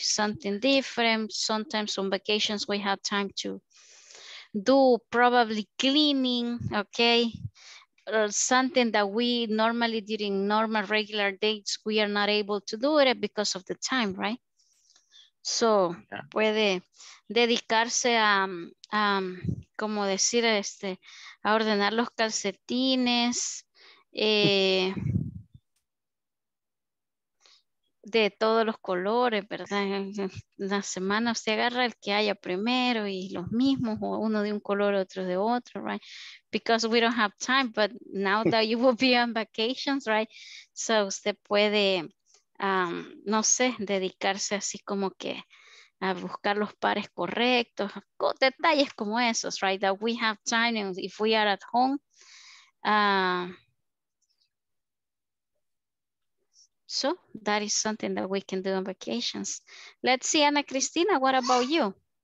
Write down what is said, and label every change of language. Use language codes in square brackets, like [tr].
[en] Something different. Sometimes on vacations, we have time to do probably cleaning, okay? Something that we normally during normal regular dates, we are not able to do it because of the time, right? So, yeah. [es] Puede dedicarse a como decir, este, a ordenar los calcetines, de todos los colores, ¿verdad? La semana se agarra el que haya primero y los mismos, o uno de un color, otro de otro, right? [en] Because we don't have time, but now that you will be on vacations, right? [es] So usted puede, no sé, dedicarse así como que a buscar los pares correctos, detalles como esos, right? [en] That we have time and if we are at home. So that is something that we can do on vacations. Let's see, Ana Cristina, what about you?